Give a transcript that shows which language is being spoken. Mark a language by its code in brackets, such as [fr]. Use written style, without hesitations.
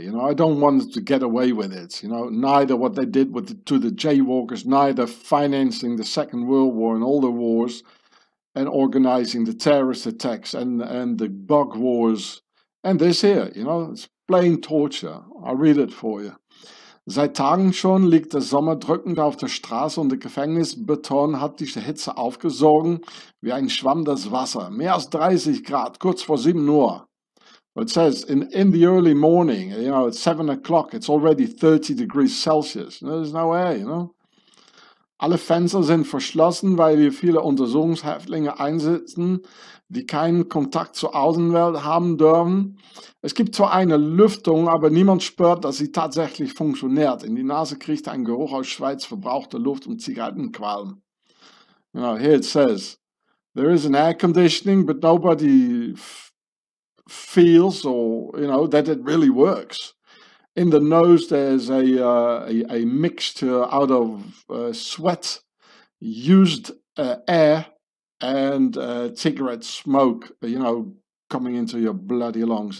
[en] You know, I don't want to get away with it. You know, neither what they did to the jaywalkers, neither financing the Second World War and all the wars, and organizing the terrorist attacks and the bug wars, and this here. You know, it's plain torture. I'll read it for you. [de] Seit Tagen schon liegt der Sommer drückend auf der Straße und der Gefängnisbeton hat die Hitze aufgesogen wie ein Schwamm das Wasser. Mehr als 30 Grad, kurz vor 7 Uhr. [en] It says, in the early morning, you know, at 7 o'clock, it's already 30 degrees Celsius. There's no air, you know. [de] Alle Fenster sind verschlossen, weil wir viele Untersuchungshäftlinge einsetzen, die keinen Kontakt zur Außenwelt haben dürfen. Es gibt zwar eine Lüftung, aber niemand spürt, dass sie tatsächlich funktioniert. In die Nase kriegt ein Geruch aus Schweiz verbrauchter Luft und Zigarettenqualm. [en] You know, here it says, there is an air conditioning, but nobody feels or, you know, that it really works. In the nose, there's a mixture out of sweat, used air, and cigarette smoke, you know, coming into your bloody lungs.